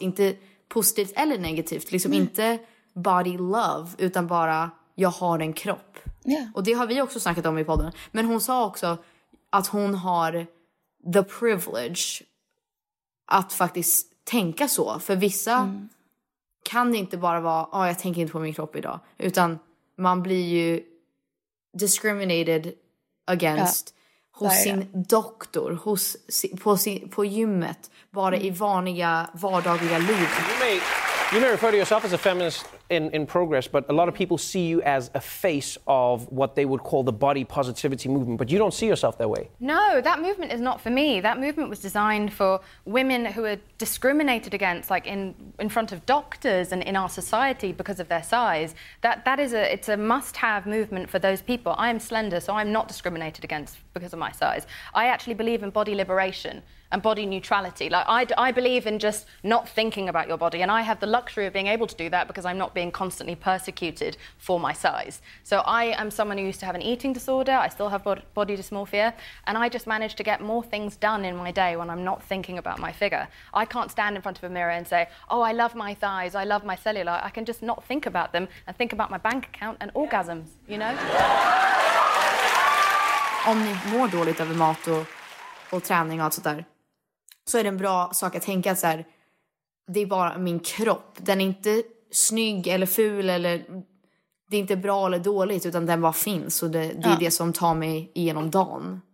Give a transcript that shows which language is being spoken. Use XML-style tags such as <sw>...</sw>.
<sv>Inte positivt eller negativt. Liksom inte body love, utan bara... Jag har en kropp.</sv> <en>Yeah.</en> <sv>Och det har vi också snackat om i podden. Men hon sa också, att hon har</sv> <en>the privilege</en> <sv>att faktiskt tänka så. För vissa kan det inte bara vara, ja, jag tänker inte på min kropp idag. Utan man blir ju</sv> <en>discriminated against</en> <sv>hos sin doktor, hos, på gymmet, bara i vanliga vardagliga liv.</sv> <en>You may refer to yourself as a feminist in progress, but a lot of people see you as a face of what they would call the body positivity movement, but you don't see yourself that way. No, that movement is not for me. That movement was designed for women who are discriminated against, like in front of doctors and in our society because of their size. That is it's a must-have movement for those people. I am slender, so I'm not discriminated against because of my size. I actually believe in body liberation and body neutrality. Like I believe in just not thinking about your body, and I have the luxury of being able to do that because I'm not being constantly persecuted for my size. So I am someone who used to have an eating disorder. I still have body dysmorphia, and I just manage to get more things done in my day when I'm not thinking about my figure. I can't stand in front of a mirror and say, oh, I love my thighs, I love my cellulite. I can just not think about them and think about my bank account and orgasms, you know?</en> <sv>Om ni mår dåligt över mat och träning och sådär, så är det en bra sak att tänka så här, det är bara min kropp. Den är inte snygg eller ful, eller det är inte bra eller dåligt, utan den bara finns. Och det är det som tar mig igenom dagen.</sv>